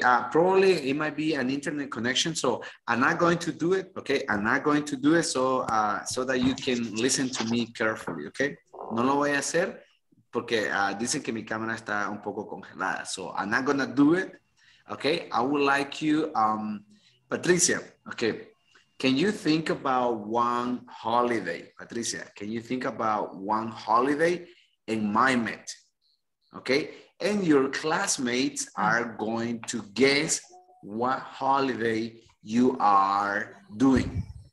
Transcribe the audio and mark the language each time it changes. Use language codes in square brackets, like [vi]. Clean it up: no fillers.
[en] Probably it might be an internet connection, so I'm not going to do it. Okay, I'm not going to do it so that you can listen to me carefully. [es] Okay, no lo voy a hacer porque dicen que mi cámara está un poco congelada. [en] So I'm not gonna do it. Okay, I would like you, Patricia. Okay. Can you think about one holiday, Patricia? Can you think about one holiday in MyMet? Okay, and your classmates are going to guess what holiday you are doing.